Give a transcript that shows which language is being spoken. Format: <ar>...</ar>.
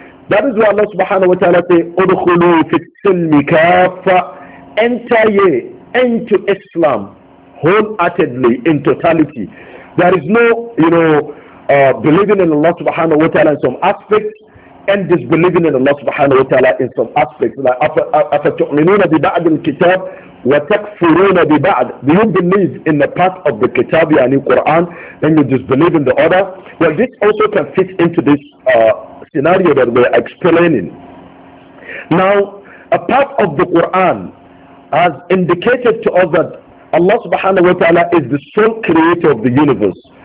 <en>That is why Allah subhanahu wa ta'ala say,</en> <ar>udkhulu fit silmi kaffa,</ar> <en>enter ye into Islam wholeheartedly, in totality. There is no, you know, believing in Allah subhanahu wa ta'ala in some aspects and disbelieving in Allah subhanahu wa ta'ala in some aspects. Like,</en> <ar>أَفَتُؤْمِنُونَ بِبَعْدِ الْكِتَابِ وَتَكْفُرُونَ بِبَعْدِ.</ar> <en>Do you believe in the part of the Kitab, yani Quran, and you disbelieve in the other? Well, this also can fit into this scenario that we're explaining. Now, a part of the Quran has indicated to us that Allah subhanahu wa ta'ala is the sole creator of the universe.</en>